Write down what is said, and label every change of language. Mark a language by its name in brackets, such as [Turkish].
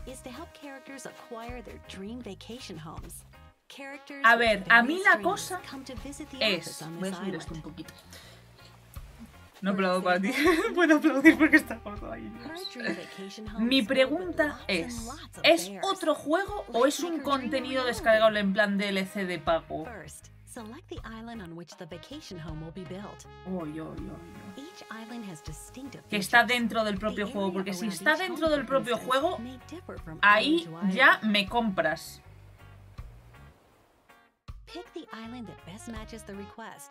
[English] is to help characters acquire their dream vacation homes. Characters. [Spanish] A ver, a mí la cosa es, voy a subir esto un poquito. No aplaudo para ti. Puedo aplaudir porque está gordo ahí. Mi pregunta es otro juego o es un contenido descargable en plan DLC de pago? [English] Select the island on which the vacation home will be built. Each island has distinctive features. [Spanish] Que está dentro del propio juego, porque si está dentro del propio juego, ahí ya me compras. [English] Pick the island that best matches the request.